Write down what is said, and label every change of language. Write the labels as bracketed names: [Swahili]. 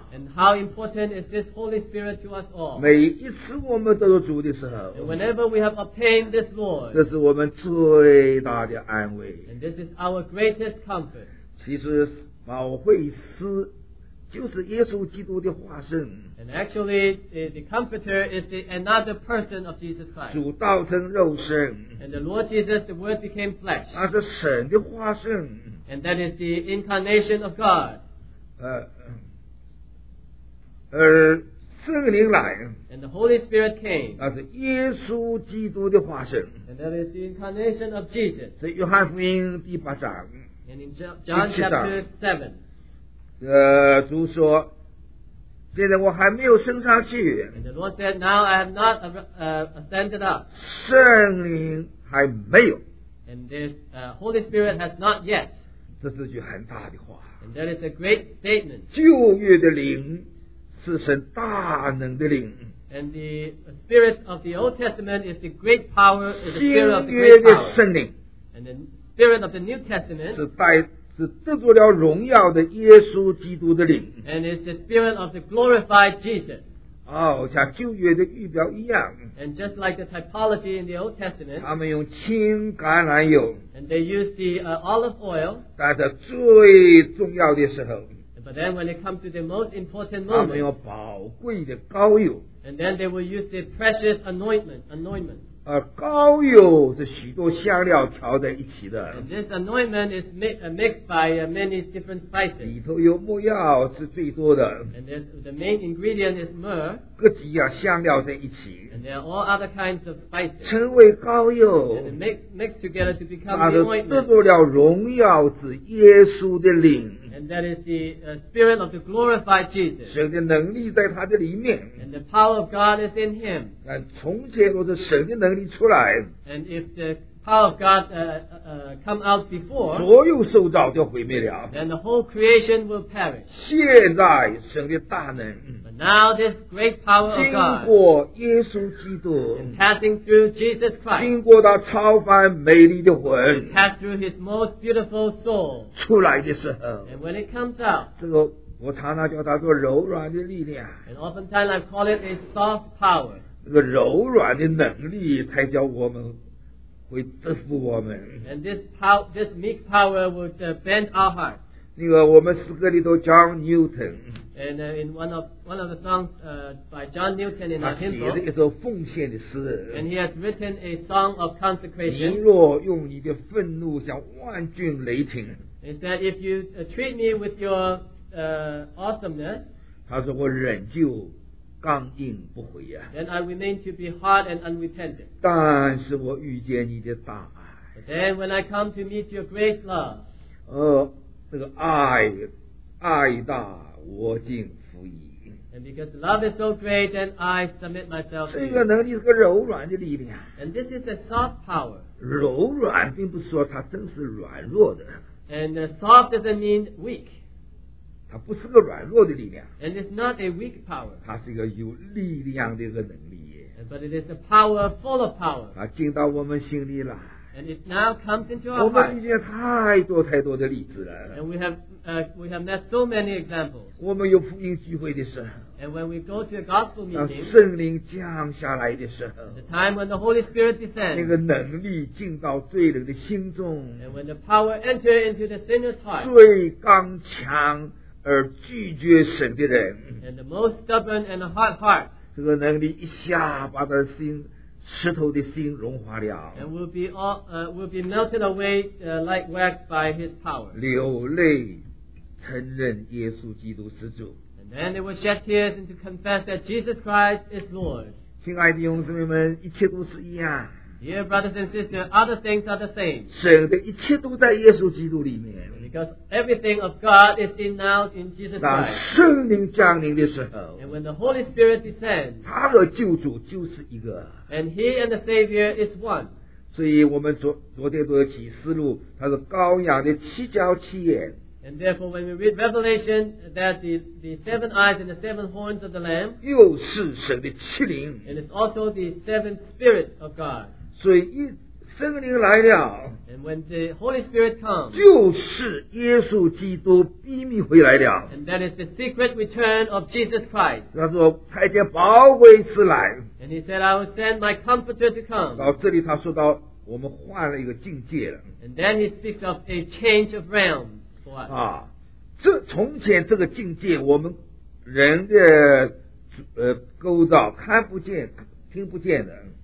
[English] and how important is this Holy Spirit to us all。 [Chinese] 每一次我们得到主的时候， [English] and whenever we have obtained this Lord， [Chinese] 这是我们最大的安慰， [English] and this is our greatest comfort。 [Chinese] 其实保惠师就是耶稣基督的化身， [English] and actually the comforter is the another person of Jesus Christ， [Chinese] 主道成肉身， [English] and the Lord Jesus the word became flesh， [Chinese] 他是神的化身， [English] and that is the incarnation of God。 [Chinese] 圣灵来， [English] and the Holy Spirit came， [Chinese] 那是耶稣基督的化身， [English] and that is the incarnation of Jesus。 [Chinese] 是约翰福音第八章， [English] and in John chapter 7， [Chinese] 主说现在我还没有升上去， [English] and the Lord said now I have not ascended up， [Chinese] 圣灵还没有， [English] and this Holy Spirit has not yet。 [Chinese] 这是句很大的话， [English] and that is a great statement。 [Chinese] 旧约的灵是神大能的灵， [English] and the spirit of the Old Testament is the great power， is the spirit of the great power。 [Chinese] 新约的圣灵， [English] and the spirit of the New Testament， [Chinese] 是得着了荣耀的耶稣基督的灵， [English] and is the spirit of the glorified Jesus。 [Chinese] 像旧约的预表一样， [English] and just like the typology in the Old Testament， [Chinese] 他们用青橄榄油， [English] and they use the olive oil， [Chinese] 但是最重要的时候， [English] but then when it comes to the most important moment， [Chinese] 他们有宝贵的膏油， [English] and then they will use the precious anointment， [Chinese] 膏油是许多香料调在一起的。 [English] And this anointment is mixed by many different spices. [Chinese] 里头有木药是最多的。 [English] And the main ingredient is myrrh. [Chinese] 各几样香料在一起。 [English] And there are all other kinds of spices. [Chinese] 成为膏油。 [English] And mix together to become the ointment. [Chinese] 那是制作了荣耀之耶稣的灵。 [English] And that is the spirit of the glorified Jesus. [Chinese] 神的能力在他的里面。 [English] And the power of God is in him. [Chinese] 但从前若是神的能力出来。 [English] And if the power of God come out before, [Chinese] 所有受造就毁灭了。 [English] Then the whole creation will perish. [Chinese] 现在神的大能。 [English] But now this great power of God, [Chinese] 经过耶稣基督。 [English] And passing through Jesus Christ, [Chinese] 经过他超凡美丽的魂。 [English] And pass through his most beautiful soul, [Chinese] 出来的时候。 [English] And when it comes out, [Chinese] 这个我常常叫它做柔软的力量。 [English] And oftentimes I call it a soft power. [Chinese] 这个柔软的能力才叫我们会制服我们。 [English] And this meek power would bend our hearts. [Chinese] 那个我们诗歌里头 John Newton. [English] And in one of the songs by John Newton in our hymnbook. [Chinese] 他写了一首奉献的诗。 [English] And he has written a song of consecration. [Chinese] 你若用你的愤怒像万军雷霆。 [English] He said, if you treat me with your awesomeness. [Chinese] 他说我忍就。刚硬不回啊。 [English] Then I remain to be hard and unrepentant. [Chinese] 但是我遇见你的大爱。 [English] But then when I come to meet your great love. [Chinese] 这个爱大我竟服矣。 [English] And because love is so great, then I submit myself to you. [Chinese] 这个能力是个柔软的力量。 [English] And this is a soft power. [Chinese] 柔软并不说它真是软弱的。 [English] And soft doesn't mean weak. [Chinese] 它不是个软弱的力量。 [English] And it's not a weak power. [Chinese] 它是一个有力量的一个能力。 [English] But it is a power full of power. [Chinese] 它进到我们心里来。 [English] And it now comes into our heart. [Chinese] 我们遇见太多太多的例子了。 [English] And we have met so many examples. [Chinese] 我们有福音聚会的时候。 [English] And when we go to a gospel meeting. [Chinese] 当圣灵降下来的时候。 [English] The time when the Holy Spirit descends. [Chinese] 那个能力进到罪人的心中。 [English] And when the power enters into the sinner's heart. [Chinese] 最刚强。而拒绝神的人 [English] and the most stubborn and a hard heart, [Chinese] 这个能力一下把他的心石头的心融化了 [English] and will be melted away like wax by his power [Chinese] 流泪承认耶稣基督是主 [English] and then they will shed tears and to confess that Jesus Christ is Lord [Chinese] 亲爱的弟兄姊妹们一切都是一样 [English] dear brothers and sisters other things are the same [Chinese] 神的一切都在耶稣基督里面 [English] Because everything of God is in now in Jesus Christ. [Chinese] 当圣灵降临的时候 [English] And when the Holy Spirit descends, [Chinese] 他和救主就是一个 [English] And he and the Savior is one. [Chinese] 所以我们昨天读启示录他是羔羊的七角七眼 [English] And therefore when we read Revelation that the seven eyes and the seven horns of the Lamb [Chinese] 又是神的七灵 [English] And it's also the seven spirits of God. [Chinese] 所以一圣灵来了 [English] and when the Holy Spirit comes, [Chinese] 就是耶稣基督秘密回来了 [English] and that is the secret return of Jesus Christ [Chinese] 他说差遣宝贵之来 [English] and he said I will send my comforter to come [Chinese] 到这里他说到我们换了一个境界了 [English] and then he speaks of a change of realms for us [Chinese] 啊，这从前这个境界我们人的构造看不见听不见的